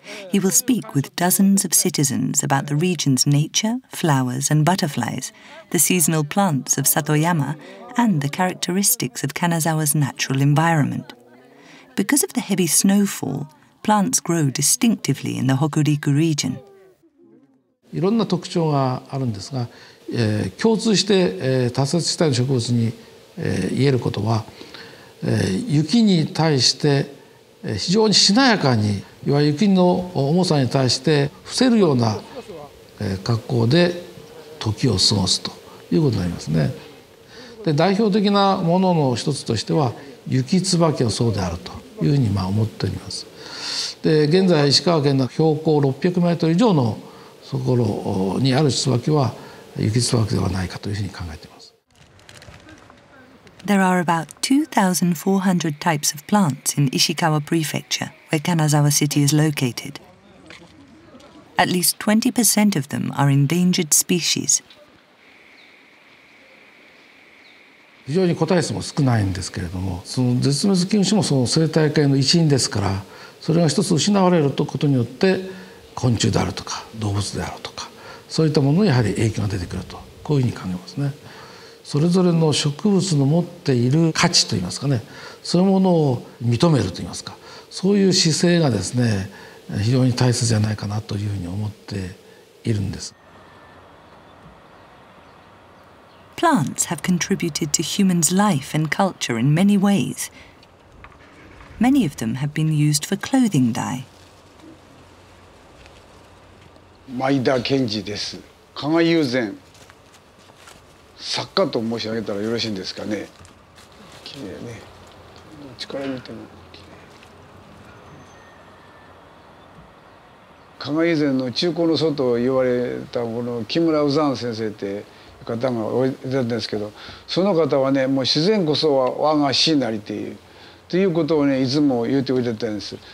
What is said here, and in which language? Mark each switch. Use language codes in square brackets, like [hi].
[en] He will speak with dozens of citizens about the region's nature, flowers and butterflies, the seasonal plants of Satoyama, and the characteristics of Kanazawa's natural environment. Because of the heavy snowfall, plants grow distinctively in the Hokuriku region. [ja] いろんな特徴があるんですが、共通して、多摂地帯の植物に、言えることは、雪に対して、非常にしなやかに、いわゆる雪の重さに対して伏せるような、格好で時を過ごすということになりますね。で、代表的なものの一つとしては雪椿の層であるというふうに、まあ、思っております。で、現在石川県の標高600メートル以上のところにある椿は雪椿ではないかというふうに考えています。 [en] There are about 2,400 types of plants in Ishikawa Prefecture, where Kanazawa City is located. At least 20% of them are endangered species. [ja] 非常に個体数も少ないんですけれども、その絶滅危惧種もその生態系の一員ですから、それが一つ失われることによって昆虫であるとか動物であるとか、そういったものにやはり影響が出てくると、こういうふうに考えますね。それぞれの植物の持っている価値といいますかね、そういうものを認めるといいますか、そういう姿勢がですね、非常に大切じゃないかなというふうに思っているんです。 [en] Plants have contributed to humans' life and culture in many ways. Many of them have been used for clothing dye. [ja] 前田健二です。加賀友禅作家と申し上げたらよろしいんですかね。綺麗ね、どっちから見ても綺麗。加賀友禅の中高の祖と言われたこの木村右山先生って方がおいでですけど、その方はね、もう自然こそは我が師なりっていうということをね、いつも言っておいてたんです。